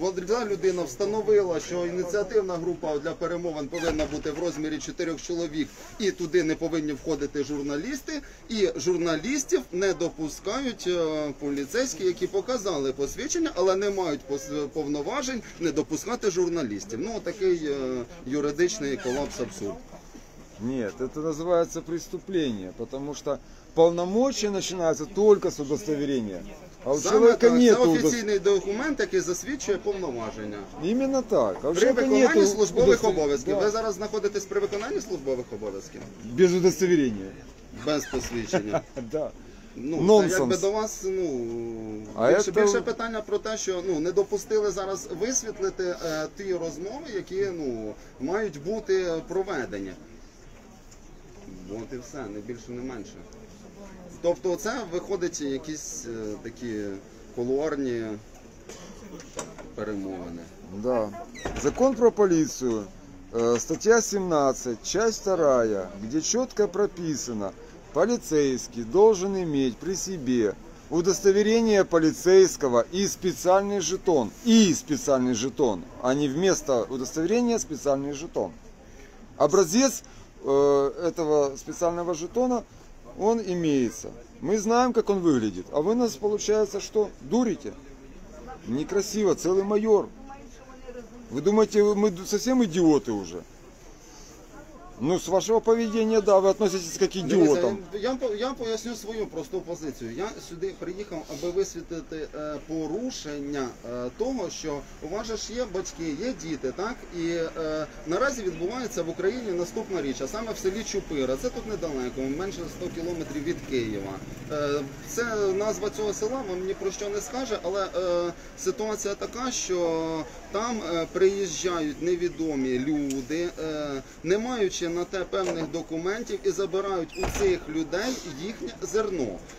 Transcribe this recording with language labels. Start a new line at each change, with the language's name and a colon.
Ukrainian: Ця людина встановила, що ініціативна група для перемовин повинна бути в розмірі 4 чоловік, і туди не повинні входити журналісти, і журналістів не допускають поліцейські, які показали посвідчення, але не мають повноважень не допускати журналістів. Ну, такий юридичний колапс, абсурд.
Russian: Нет, это называется преступление, потому что полномочия начинаются только с удостоверения, а у человека нет удостоверения. Это официальный документ, который
Ukrainian: засвідчує повноваження.
Russian: Именно так. При выполнении
Ukrainian: службовых обов'язків.
Russian: Вы сейчас находитесь при выполнении
Ukrainian: службовых обов'язків?
Russian: Без удостоверения.
Ukrainian: Без посвідчення.
Russian: Да. Ну, нонсенс.
Ukrainian: Це якби до вас, ну, більше питання про те, що, ну, не допустили зараз висвітлити ті розмови, які, ну, мають бути проведені. От і все, не більше, не менше. Тобто це виходить якісь такі кулуарні перемовини. Да. Закон про поліцію Стаття 17,
Russian: часть 2, где четко прописано, полицейский должен иметь при себе удостоверение полицейского и специальный жетон. И специальный жетон, а не вместо удостоверения специальный жетон. Образец этого специального жетона, он имеется. Мы знаем, как он выглядит, а вы нас, получается, что, дурите? Некрасиво, целый майор. Вы думаете, мы совсем идиоты уже? Ну, с вашего поведения, да, вы относитесь к идиотам.
Ukrainian: Я поясню свою просту позицию. Я сюди приїхав, аби висвітлити порушення того, що у вас же ж є батьки, є діти, так? І наразі відбувається в Україні наступна річ, а саме в селі Чупира. Це тут недалеко, менше 100 кілометрів від Києва. Це назва цього села вам ні про що не скаже, але ситуація така, що там приїжджають невідомі люди, не маючи на те певних документів і забирають у цих людей їхнє зерно.